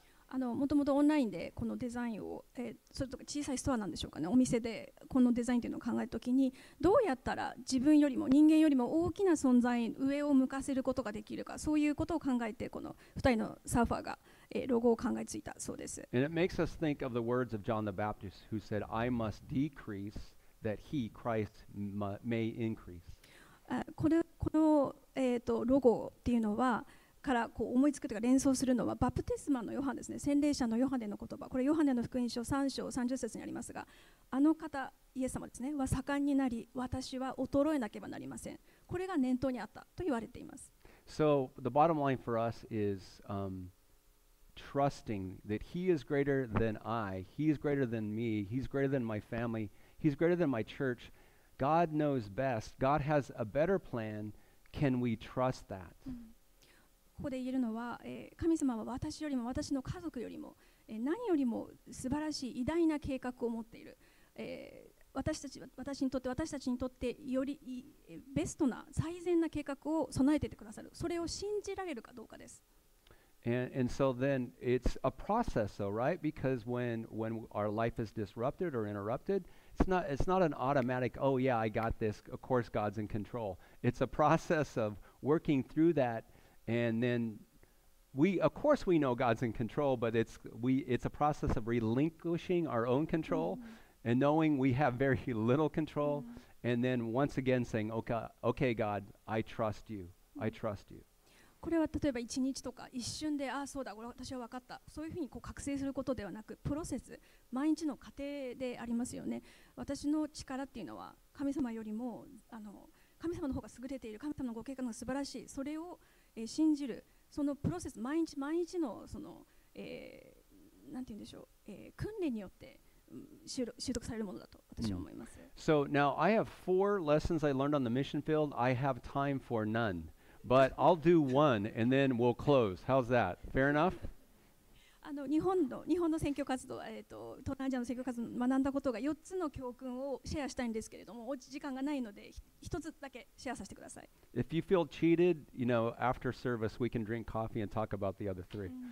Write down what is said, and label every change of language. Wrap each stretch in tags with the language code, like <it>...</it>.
<ja>あの、もともとオンラインでこのデザインを、それとか小さいストアなんでしょうかね、お店でこのデザインというのを考えるときに、どうやったら自分よりも人間よりも大きな存在上を向かせることができるか、そういうことを考えてこの2人のサーファーが、ロゴを考えついたそうです。</ja> <en>And it makes us think of the words of John the Baptist, who said, I must decrease. That he, Christ, may increase.</en> <ja>この、ロゴっていうのはからこう思いつくというか連想するのはバプテスマのヨハネですね。洗礼者のヨハネの言葉。これヨハネの福音書3章30節にありますが、あの方イエス様ですね。は盛んになり、私は衰えなければなりません。これが念頭にあったと言われています。</ja> <en>So the bottom line for us is trusting that he is greater than I. He is greater than me. He's greater than my family. He's greater than my church. God knows best. God has a better plan. can we trust that?</en> <ja>ここで言えるのは、神様は私よりも私の家族よりも、何よりも素晴らしい偉大な計画を持っている。私たち、私にとって、私たちにとってよりベストな最善な計画を備えててくださる。それを信じられるかどうかです。</ja> <en>And so then it's a process though, right? Because when our life is disrupted or interrupted, it's not an automatic, oh yeah, I got this, of course God's in control. It's a process of working through that, and then we, of course we know God's in control, but it's a process of relinquishing our own control, mm-hmm. and knowing we have very little control, mm-hmm. and then once again saying, okay God, I trust you, mm-hmm. I trust you.</en> <ja>これは例えば1日とか一瞬で、ああそうだ、これ私は分かった、そういうふうにこう覚醒することではなく、プロセス、毎日の過程でありますよね。私の力っていうのは神様よりも神様の方が優れている、神様のご計画が素晴らしい、それを、信じる、そのプロセス、毎日毎日のその、なんて言うんでしょう、訓練によって習得されるものだと私は思います。 Mm.</ja> <en>So now I have four lessons I learned on the mission field. I have time for none. But I'll do one and then we'll close. How's that? Fair enough?</en> <ja>日本の選挙活動、東南アジアの選挙活動を学んだことが4つの教訓をシェアしたいんですけれども、おうち時間がないので1つだけシェアさせてください。</ja> <en>If you feel cheated, you know, after service, we can drink coffee and talk about the other three.</en>